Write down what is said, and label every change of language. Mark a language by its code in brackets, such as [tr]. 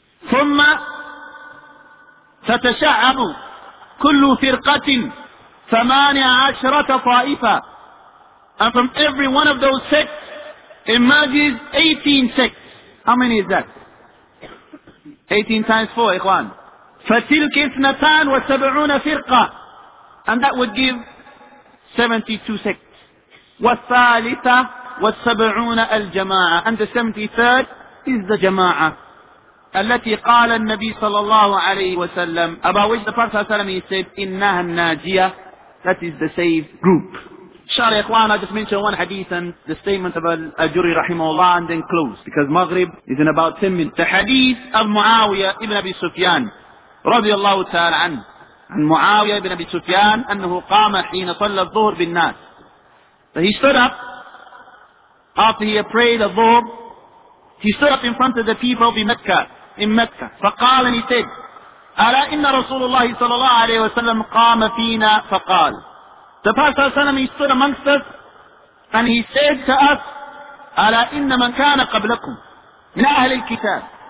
[ar] ثم تتشعب كل فرقة ثمان عشرة طائفة. [en] And from every one of those sects emerges 18 sects. How many is that? 18 times 4, إخوان. [ar] فتلك اثنتان وسبعون فرقة. [en] And that would give 72 sects. [ar] والثالثة والسبعون الجماعة. [en] And the 73rd is the جماعة. [ar] التي قال النبي صلى الله عليه وسلم [en] about which the Prophet [ar] صلى الله عليه وسلم [en] he said [ar] إنها الناجية, [en] that is the saved group. Shari Ikhwan, I just mentioned one hadith and the statement of Al-Ajuri rahimahullah and then close because Maghrib is in about 10 minutes. The hadith of [ar] Muawiyah ibn Abi Sufyan رضي الله تعالى عنه عن معاوية ibn Abi Sufyan أنه قام حين صلى الظهر بالناس. [en] So he stood up after he had prayed the dhuhr. He stood up in front of the people in Mecca. [ar] فقال, [en] and he said, [ar] ألا إن رسول الله صلى الله عليه وسلم قام فينا فقال. [en] The Prophet ﷺ, he stood amongst us and he said to us, [ar] ألا إن من كان قبلكم من أهل الكتاب.